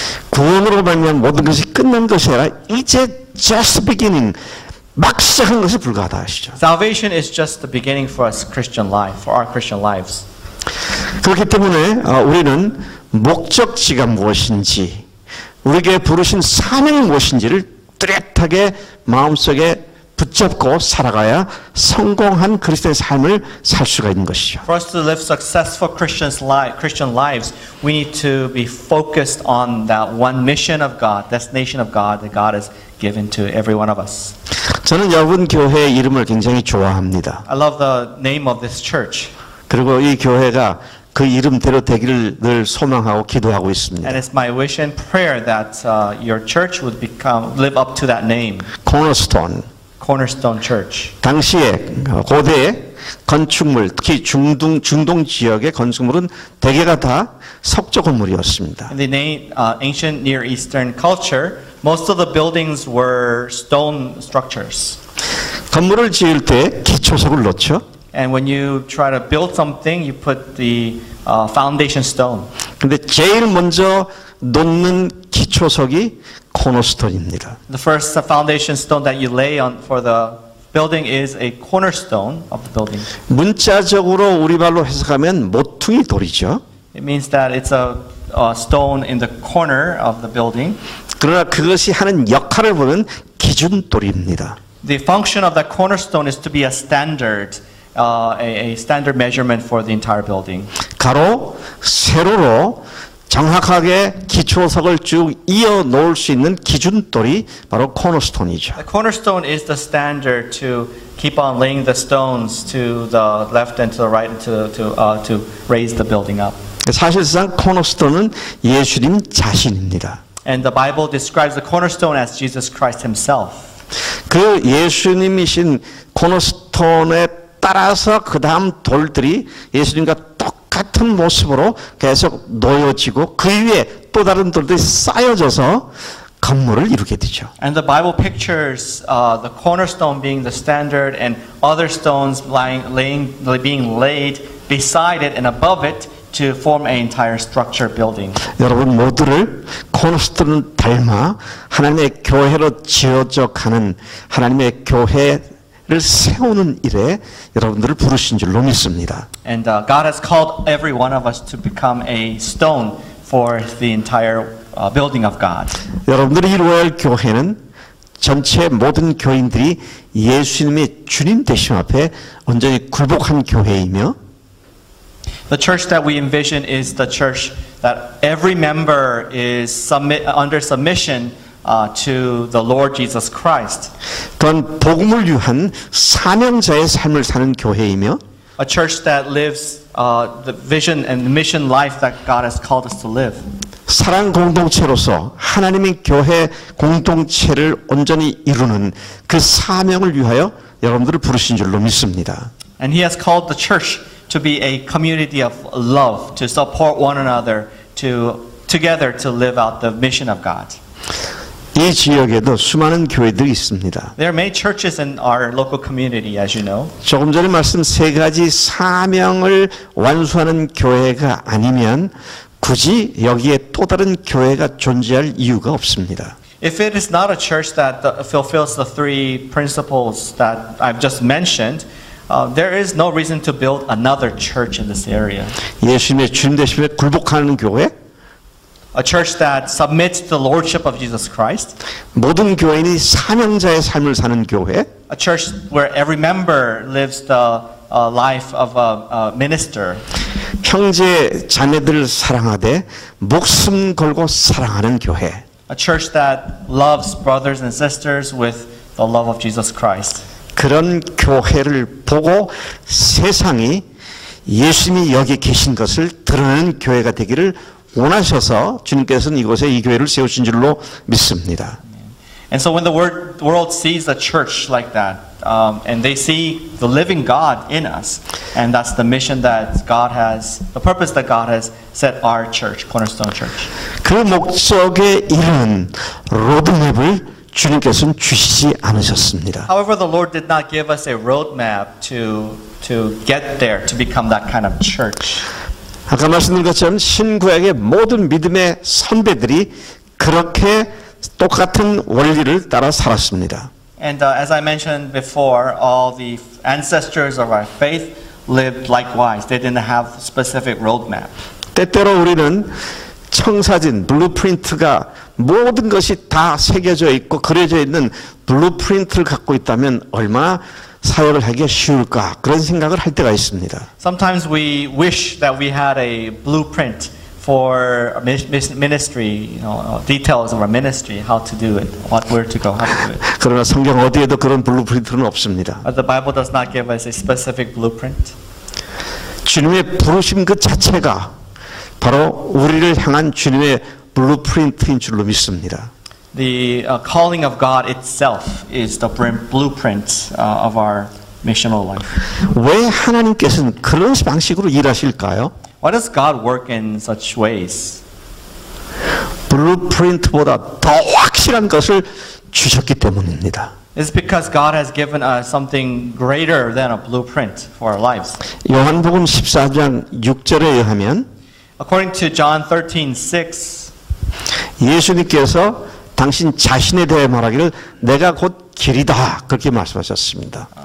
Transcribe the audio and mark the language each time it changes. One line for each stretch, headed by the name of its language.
Korean: 구원으로 말미암아 모든 것이 끝난 것이 아니라 이제
English: just beginning,
Korean: 막 시작한 것에 불과하다 하시죠.
English: Salvation is just the beginning for us Christian life, for our Christian lives.
Korean: 그렇기 때문에 우리는 목적지가 무엇인지, 우리에게 부르신 사명이 무엇인지를 뚜렷하게 마음속에 붙잡고 살아가야 성공한 그리스도의 삶을 살 수가 있는 것이죠.
English: For us to live successful Christian lives, we need to be focused on that one mission of God, destination of God that God has given to every one of us.
Korean: 저는 여분 교회의 이름을 굉장히 좋아합니다.
English: I love the name of this church.
Korean: 그리고 이 교회가 그 이름대로 되기를 늘 소망하고 기도하고 있습니다.
English: And it's my wish and prayer that your church would become live up to that name. Cornerstone. Cornerstone Church.
Korean: 당시에 고대 건축물, 특히 중동 지역의 건축물은 대개가 다 석조 건물이었습니다.
English: In the ancient Near Eastern culture, most of the buildings were stone structures.
Korean: 건물을 지을 때 기초석을 넣죠.
English: And when you try to build something, you put the foundation stone.
Korean: 근데 제일 먼저 놓는 기초석이 코너스톤입니다.
English: The first foundation stone that you lay on for the building is a cornerstone of the building.
Korean: 문자적으로 우리말로 해석하면 모퉁이 돌이죠.
English: It means that it's a stone in the corner of the building.
Korean: 그러나 그것이 하는 역할을 보면 기준돌입니다.
English: The function of that cornerstone is to be a standard. A standard measurement for the entire building.
Korean: 가로, 세로로 정확하게 기초석을 쭉 이어 놓을 수 있는 기준돌이 바로 코너스톤이죠.
English: The cornerstone is the standard to keep on laying the stones to the left and to the right to raise the building up.
Korean: 사실상 코너스톤은 예수님 자신입니다.
English: And the Bible describes the cornerstone as Jesus Christ Himself.
Korean: 그 예수님이신 코너스톤의 따라서 그 다음 돌들이 예수님과 똑같은 모습으로 계속 놓여지고 그 위에 또 다른 돌들이 쌓여져서 건물을 이루게 되죠.
English: And the Bible pictures the cornerstone being the standard and other stones being laid beside it and above it to form an entire structure building.
Korean: 여러분 모두를 코너스톤을 닮아 하나님의 교회로 지어져 가는 하나님의 교회 를 세우는 일에 여러분들을 부르신 줄로 믿습니다.
English: And God has called every one of us to become a stone for the entire building of God.
Korean: 여러분들이 이루어야 할 교회는 전체 모든 교인들이 예수님의 주님 되심 앞에 온전히 굴복한 교회이며
English: The church that we envision is the church that every member is under submission to the Lord Jesus Christ.
Korean: 또한 복음을 위한 사명자의 삶을 사는 교회이며,
English: a church that lives the vision and the mission life that God has called us to live.
Korean: 사랑 공동체로서 하나님의 교회 공동체를 온전히 이루는 그 사명을 위하여 여러분들을 부르신 줄로 믿습니다.
English: And He has called the church to be a community of love, to support one another, to together to live out the mission of God.
Korean: 이 지역에도 수많은 교회들이 있습니다.
English: There are many churches in our local community, as you know.
Korean: 조금 전에 말씀 세 가지 사명을 완수하는 교회가 아니면 굳이 여기에 또 다른 교회가 존재할 이유가 없습니다.
English: If it is not a church that fulfills the three principles that I've just mentioned, there is no reason to build another church in this area.
Korean: 예수님의 주님 되심에 굴복하는 교회.
English: A church that submits to the lordship of Jesus Christ.
Korean: 모든 교인이 사명자의 삶을 사는 교회.
English: A church where every member lives the life of a minister.
Korean: 형제 자매들 사랑하되 목숨 걸고 사랑하는 교회.
English: A church that loves brothers and sisters with the love of Jesus Christ.
Korean: 그런 교회를 보고 세상이 예수님이 여기 계신 것을 드러내는 교회가 되기를 원하셔서 주님께서는 이곳에 이 교회를 세우신 줄로 믿습니다.
English: And so when the world sees a church like that, and they see the living God in us, and that's the mission that God has, the purpose that God has set our church, Cornerstone Church.
Korean: 그 목적에 이르는 로드맵을 주님께서는 주시지 않으셨습니다.
English: However, the Lord did not give us a roadmap to get there, to become that kind of church.
Korean: 아까 말씀드린 것처럼 신구약의 모든 믿음의 선배들이 그렇게 똑같은 원리를 따라 살았습니다.
English: And as I mentioned before, all the ancestors of our faith lived likewise. They didn't have specific roadmap.
Korean: 때때로 우리는 청사진, 블루프린트가 모든 것이 다 새겨져 있고 그려져 있는 블루프린트를 갖고 있다면 얼마나 사역을 하기가 쉬울까 그런 생각을 할 때가 있습니다.
English: Sometimes we wish that we had a blueprint for ministry, you know, details of our ministry, how to do it, what where to go, how to do it.
Korean: 그러나 성경 어디에도 그런 블루프린트는 없습니다.
English: But the Bible does not give us a specific blueprint.
Korean: 주님의 부르심 그 자체가 바로 우리를 향한 주님의 블루프린트인 줄로 믿습니다.
English: The calling of God itself is the blueprint of our missional life.
Korean: 왜 하나님께서는 그런 방식으로 일하실까요?
English: Why does God work in such ways?
Korean: 블루프린트보다 더 확실한 것을 주셨기 때문입니다.
English: It's because God has given us something greater than a blueprint for our lives.
Korean: 요한복음 14장 6절에 의하면
English: According to John 13:6
Korean: 예수님께서 당신 자신에 대해 말하기를 내가 곧 길이다 그렇게 말씀하셨습니다.